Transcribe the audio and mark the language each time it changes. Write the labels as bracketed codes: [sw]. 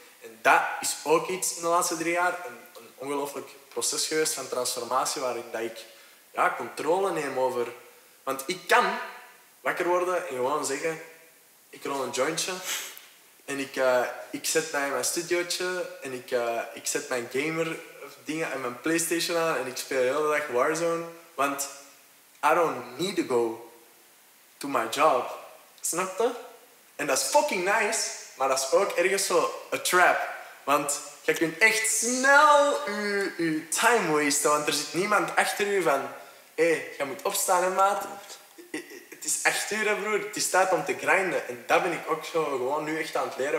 [nl] En dat is ook iets in de laatste 3 jaar. Een ongelooflijk proces geweest van transformatie, waarin dat ik ja, controle neem over... Want ik kan wakker worden en gewoon zeggen... Ik rol een jointje. En ik zet mij in mijn studiotje. En ik zet mijn gamer dingen en mijn PlayStation aan. En ik speel de hele dag Warzone. Want [en] I don't need to go to my job. [nl] Snap je? En dat is fucking nice, maar dat is ook ergens zo een trap. Want je kunt echt snel je time wasten, want er zit niemand achter je van... Hé, hey, jij moet opstaan, hè, maat. Het is 8 uur, broer. Het is tijd om te grinden. En dat ben ik ook zo gewoon nu echt aan het leren.